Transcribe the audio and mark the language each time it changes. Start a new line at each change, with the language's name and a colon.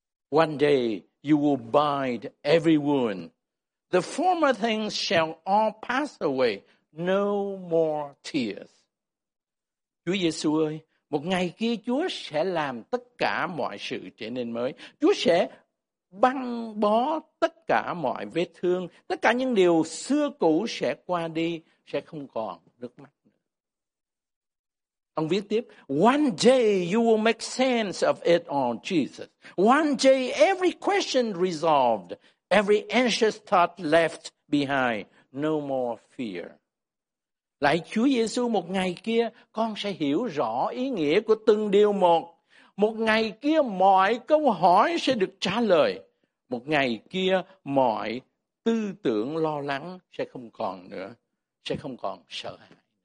English: One day you will bind every wound. The former things shall all pass away. No more tears.
Vietnamese: Chúa Giê-xu ơi, một ngày kia Chúa sẽ làm tất cả mọi sự trở nên mới. Chúa sẽ băng bó tất cả mọi vết thương. Tất cả những điều xưa cũ sẽ qua đi, sẽ không còn nước mắt nữa. Ông viết tiếp,
English: One day you will make sense of it all, Jesus. One day every question resolved. Every anxious thought left behind, no more fear.
Vietnamese: Lạy Chúa Giê-xu, một ngày kia, con sẽ hiểu rõ ý nghĩa của từng điều một. Một ngày kia, mọi câu hỏi sẽ được trả lời. Một ngày kia, mọi tư tưởng lo lắng sẽ không còn nữa, sẽ không còn sợ hãi.